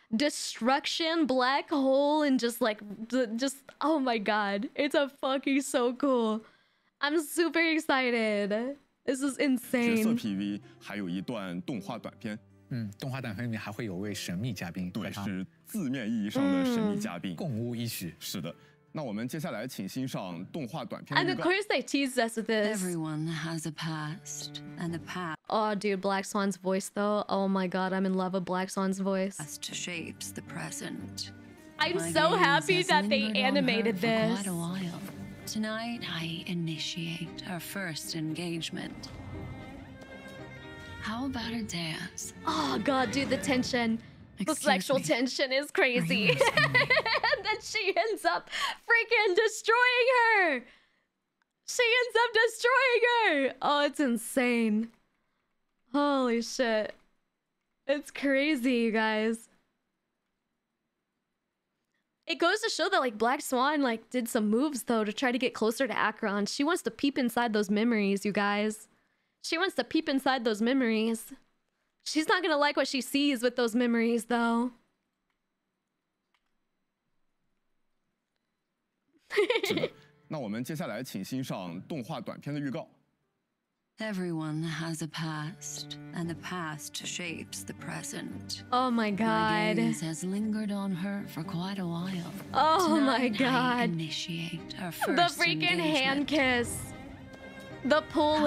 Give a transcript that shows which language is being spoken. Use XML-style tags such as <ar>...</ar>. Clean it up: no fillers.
<en>Destruction, black hole, and just like, just, oh my god, it's a fucking so cool. I'm super excited. This is insane.</en> <zh>角色 PV 还有一段动画短片。动画短片里面还会有位神秘嘉宾。对，是字面意义上的神秘嘉宾。共舞一曲。是的，那我们接下来请欣赏动画短片。</zh> <en>And of course they tease us with this. Everyone has a past and a past. Oh, dude, Black Swan's voice, though. Oh my god, I'm in love with Black Swan's voice. As to shapes the present. I'm so happy that they animated this. For quite a while. Tonight, I initiate our first engagement. How about a dance? Oh god, dude, the tension. The sexual tension is crazy. And then she ends up freaking destroying her. She ends up destroying her. Oh, it's insane. Holy shit. It's crazy, you guys. It goes to show that, like, Black Swan, like, did some moves, though, to try to get closer to Acheron. She wants to peep inside those memories, you guys. She wants to peep inside those memories. She's not gonna like what she sees with those memories, though.</en> <zh>So, 那我们接下来请欣赏动画短片的预告。</zh> <en>Everyone has a past, and the past shapes the present. Oh my god. My gaze has lingered on her for quite a while. Oh my god. Tonight I initiate our first engagement. The freaking engagement. Hand kiss. The pull How</en>